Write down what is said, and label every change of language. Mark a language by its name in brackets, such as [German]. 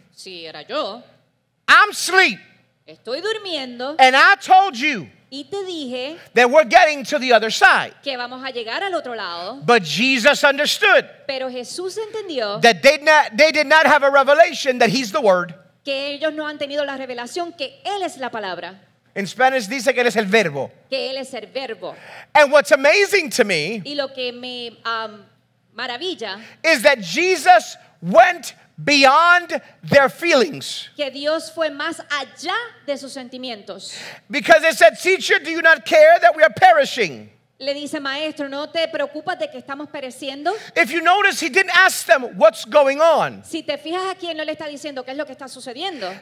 [Spanish] si era yo, [English] I'm asleep. [Spanish] Estoy durmiendo, [English] and I told you, [Spanish] y te dije, [English] that we're getting to the other side. [Spanish] Que vamos a llegar al otro lado. [English] But Jesus understood, [Spanish] pero Jesús entendió, [English] that they did not have a revelation that he's the word. [Spanish] Que ellos no han tenido la revelación que él es la palabra. [English] In Spanish, [Spanish] dice que él es el verbo. Que él es el verbo. [English] And what's amazing to me, [Spanish] y lo que me, maravilla, [English] is that Jesus went beyond their feelings. [Spanish] Que Dios fue más allá de sus sentimientos. [English] Because they said, teacher, do you not care that we are perishing? [Spanish] Le dice, maestro, ¿no te preocupas de que estamos pereciendo? [English] If you notice, he didn't ask them what's going on. [Spanish] Si te fijas aquí, él no le está diciendo qué es lo que está sucediendo.